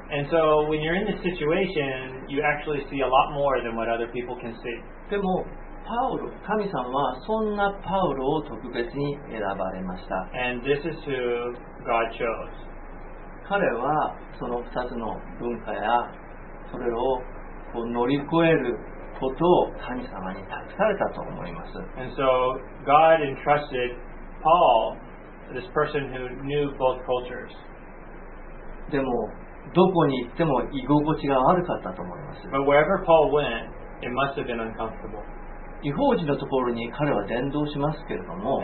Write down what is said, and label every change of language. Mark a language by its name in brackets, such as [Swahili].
[English] And so when you're in this situation, you actually see a lot more than what other people can see. [Japanese] でもパウロ、神様はそんなパウロを特別に選ばれました。 [English] And this is who God chose. [Japanese] 彼はその2つの文化やそれをこう乗り越えることを神様に託されたと思います。 [English] And so God entrusted Paul, this person who knew both cultures. [Japanese] でもどこに行っても居心地が悪かったと思います。 [English] But wherever Paul went, it must have been uncomfortable. [Japanese] 異邦人のところに彼は伝道しますけれども、